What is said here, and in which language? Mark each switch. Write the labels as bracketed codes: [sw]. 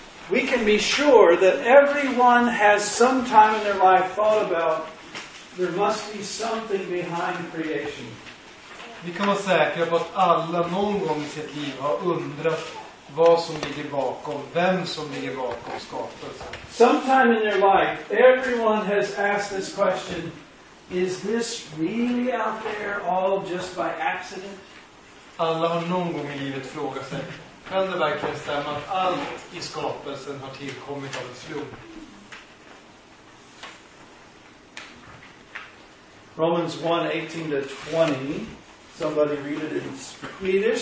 [en] We can be sure that everyone has some time in their life thought about there must be something behind creation. [sv] Vi kan vara säkra på att alla någon gång i sitt liv har undrat vad som ligger bakom, vem som ligger bakom skapelsen. [en] Sometime in their life, everyone has asked this question, is this really out there all just by accident? [sv] Alla har någon gång i livet frågat sig, kan det verkligen stämma att allt i skapelsen har tillkommit av en slump? [en] Romans 1, 18-20. Somebody read it in Swedish.